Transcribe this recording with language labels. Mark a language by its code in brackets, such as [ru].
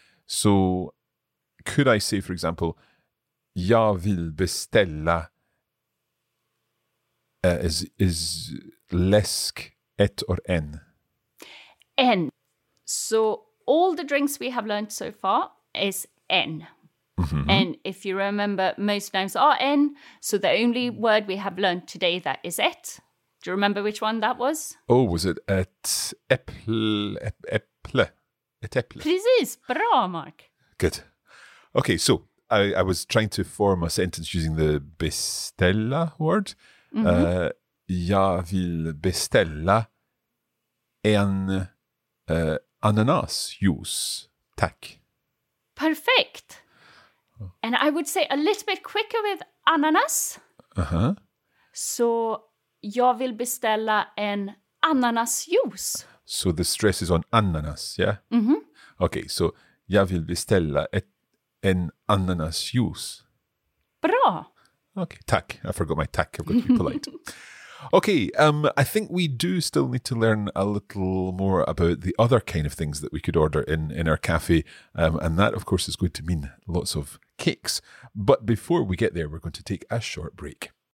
[en] So could I say, for example, [sv] jag vill beställa is läsk ett [en] or en? [sv] En. [en] So all the drinks we have learned so far is en. Mm-hmm. And if you remember, most names are en. So the only word we have learned today that is et. Do you remember which one that was? Oh, was it [sv] et äpple? Et äpple. Precis. Bra, Mark. [en] Good. Okay, so I was trying to form a sentence using the beställa word. Mm-hmm. [sv] Jag vill beställa en ananas juice. Tack. [en] Perfect. And I would say a little bit quicker with ananas. Uh-huh. So [sv] jag vill beställa en ananasjuice. [en] So the stress is on ananas, yeah? Mm-hmm. Okay, so [sv] jag vill beställa en ananasjuice. Bra! [en] Okay, tack. I forgot my tack. I've got to be polite. Okay, I think we do still need to learn a little more about the other kind of things that we could order in our cafe. And that, of course, is going to mean lots of cakes. But before we get there, we're going to take a short break.